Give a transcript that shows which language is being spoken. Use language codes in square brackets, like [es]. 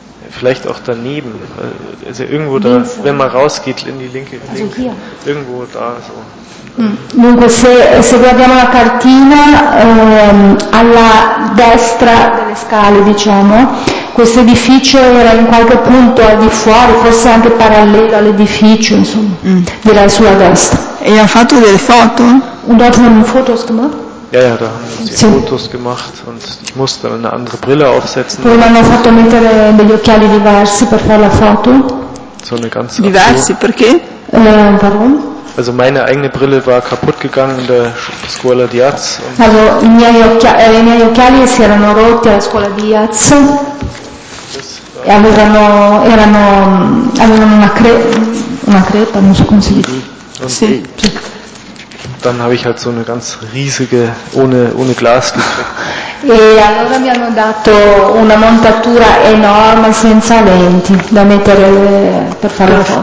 [de] Vielleicht auch daneben, also irgendwo da, wenn man rausgeht in die linke Ecke, irgendwo da so. [it] Dunque se guardiamo la cartina alla destra delle scale, diciamo, questo edificio era in qualche punto al di fuori, forse anche parallelo all'edificio, insomma, della sua destra. E ha fatto delle foto? [de] Und dort haben Fotos gemacht? Ja, ja, da haben sie Fotos gemacht und ich musste eine andere Brille aufsetzen. [it] Poi hanno fatto mettere degli occhiali diversi per fare la foto. [de] So eine ganze [it] diversi, Abzug. Perché? [de] Warum? Also meine eigene Brille war kaputt gegangen in der Scuola Diaz. [it] Also i miei occhiali si erano rotti alla Scuola Diaz e avevano una crepa, non so come si dice. Sì. [de] Dann habe ich halt so eine ganz riesige ohne Glas gekriegt. [it] E allora mi hanno dato una montatura enorme senza lenti da mettere per fare la foto.